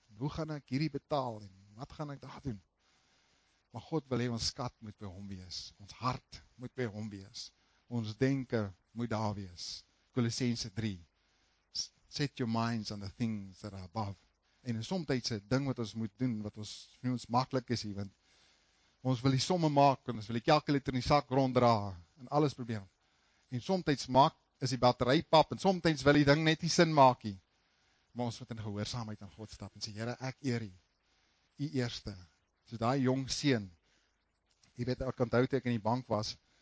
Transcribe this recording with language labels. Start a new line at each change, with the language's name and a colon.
Afrikaans: Hoe gaan ek hierdie betaal en wat gaan ek daar doen? Maar God wil hê ons skat moet by hom wees. Ons hart moet by hom wees. Ons denke moet daar wees. Kolossense 3.
English: Set your minds on the things that are above.
Afrikaans: En is soms 'n ding wat ons moet doen wat ons vir ons maklik is, want ons wil die somme maak en ons wil die kalkulator in die sak ronddra en alles probeer. En soms maak is die batterij pap, en somtijds wil die ding net die sin maak nie, maar ons moet in gehoorsaamheid aan God stap, en sê, Here, ek eer u eerste, so die jong seun, jy weet, ek kan onthou toe ek in die bank was,